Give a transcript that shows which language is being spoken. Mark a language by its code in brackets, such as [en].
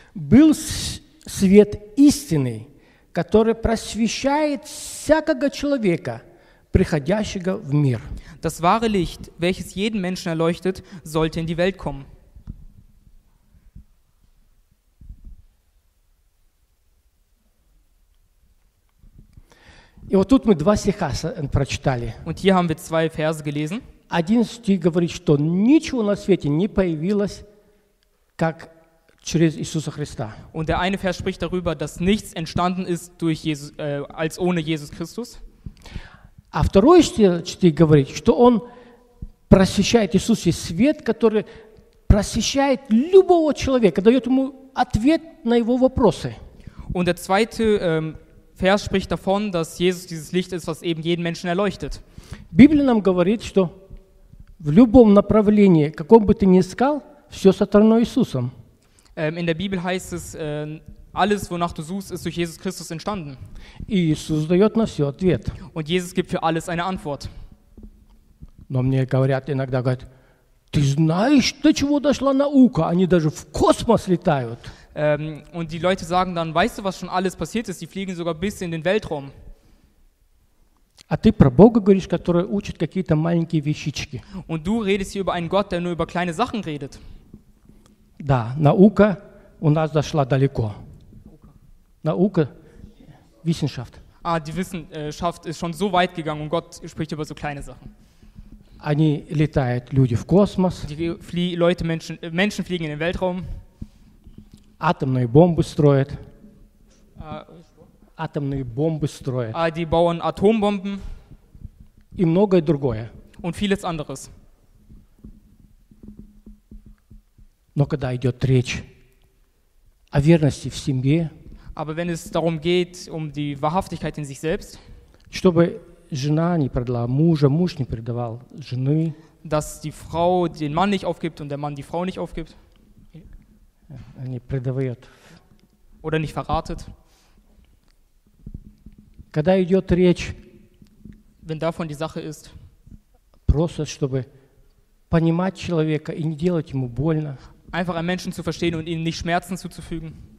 [ru] Был свет истины, который просвещает всякого человека, приходящего в мир. [de] Das wahre Licht, welches jeden Menschen erleuchtet, sollte in die Welt kommen. [ru] И вот тут мы два стиха прочитали. [de] Und hier haben wir zwei Verse gelesen. [ru] Один стих говорит, что ничего на свете не появилось, как через Иисуса Христа. [de] Und der eine Vers spricht darüber, dass nichts entstanden ist durch Jesus, als ohne Jesus Christus. [ru] А второй стих говорит, что он просвещает Иисусе свет, который просвещает любого человека, дает ему ответ на его вопросы. [de] Und der zweite Vers spricht davon, dass Jesus dieses Licht ist, was eben jeden Menschen erleuchtet. [ru] Библия нам говорит, что в любом направлении, каком бы ты ни искал, все сотворено Иисусом. [de] In der Bibel heißt es, alles, wonach du suchst, ist durch Jesus Christus entstanden. [ru] Иисус дает на все ответ. [de] Und Jesus gibt für alles eine Antwort. [ru] Но мне говорят иногда, говорят, ты знаешь, до чего дошла наука? Они даже в космос летают. [de] Und die Leute sagen dann, weißt du, was schon alles passiert ist? Die fliegen sogar bis in den Weltraum. [ru] А ты про Бога говоришь, который учит какие-то маленькие вещички. [de] Und du redest hier über einen Gott, der nur über kleine Sachen redet. [ru] Да, наука у нас зашла далеко. Наука, [de] Wissenschaft. Ah, die Wissenschaft ist schon so weit gegangen und Gott spricht über so kleine Sachen. [ru] Они летают, люди, в космос. [de] Menschen fliegen in den Weltraum. [ru] Атомные бомбы строят. Атомные бомбы строят. [de] Die bauen Atombomben. [ru] И многое другое. [de] Und vieles anderes. [ru] Но когда идет речь о верности в семье, [de] aber wenn es darum geht, um die Wahrhaftigkeit in sich selbst, [ru] чтобы жена не предала мужа, муж не предавал жены, [de] dass die Frau den Mann nicht aufgibt und der Mann die Frau nicht aufgibt, [ru] не предает, [de] oder nicht verratet, [ru] когда идет речь, [de] wenn davon die Sache ist, [ru] просто чтобы понимать человека и не делать ему больно, [de] einfach einen Menschen zu verstehen und ihnen nicht Schmerzen zuzufügen,